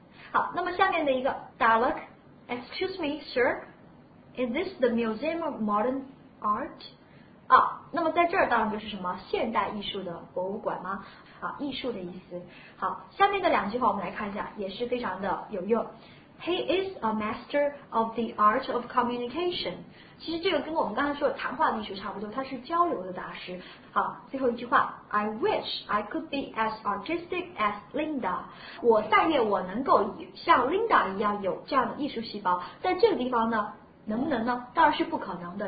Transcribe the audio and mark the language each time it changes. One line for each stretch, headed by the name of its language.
Chinese: 好，那么下面的一个 dialogue。
English: Excuse me, sir. Is this the Museum of Modern Art?
Chinese: 啊，那么在这儿当然就是什么现代艺术的博物馆吗？啊，艺术的意思。好，下面的两句话我们来看一下，也是非常的有用。
English: He is a master of the art of communication.
Chinese: 其实这个跟我们刚才说的谈话艺术差不多，他是交流的大师。好，最后一句话
English: ，I wish I could be as artistic as Linda.
Chinese: 我但愿我能够像 Linda 一样有这样的艺术细胞。在这个地方呢？能不能呢？当然是不可能的。